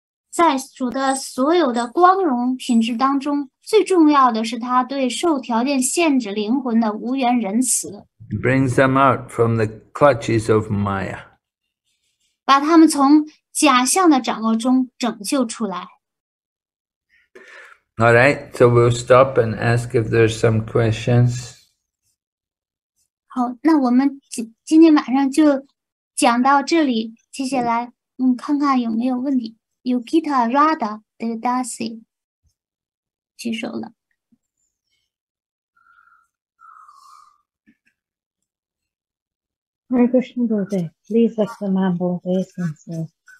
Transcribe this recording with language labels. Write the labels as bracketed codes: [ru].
[zh] 在主的所有的光荣品质当中，最重要的是他对受条件限制灵魂的无缘仁慈。 [en] Brings them out from the clutches of Maya. [zh] 把他们从假象的掌握中拯救出来。 [en] All right, so we'll stop and ask if there's some questions. [zh] 好，那我们今天晚上就讲到这里，接下来看看有没有问题。 Yukita Radha Dasi 举手了。 [en] Hare Krishna Gurudev, please let the man both essences.